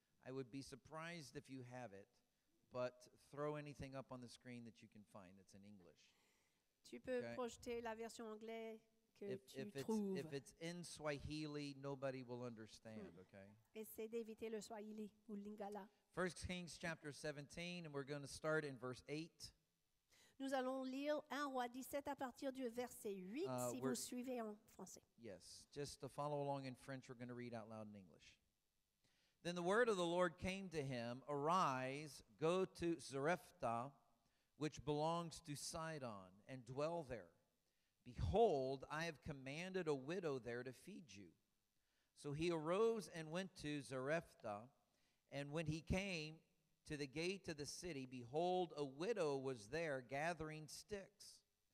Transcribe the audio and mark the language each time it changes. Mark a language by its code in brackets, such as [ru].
[en] I would be surprised if you have it, but throw anything up on the screen that you can find that's in English. [fr] Tu peux projeter la version anglaise que [en] If it's in Swahili, nobody will understand, okay? [fr] Essaie d'éviter le Swahili ou Lingala. [en] 1 Kings chapter 17, and we're going to start in verse 8. [fr] Nous allons lire 1 Roi 17 à partir du verset 8, si vous suivez en français. [en] Yes, just to follow along in French, we're going to read out loud in English. Then the word of the Lord came to him, "Arise, go to Zarephath, which belongs to Sidon, and dwell there. Behold, I have commanded a widow there to feed you." So he arose and went to Zarephath, and when he came to the gate of the city, behold, a widow was there gathering sticks.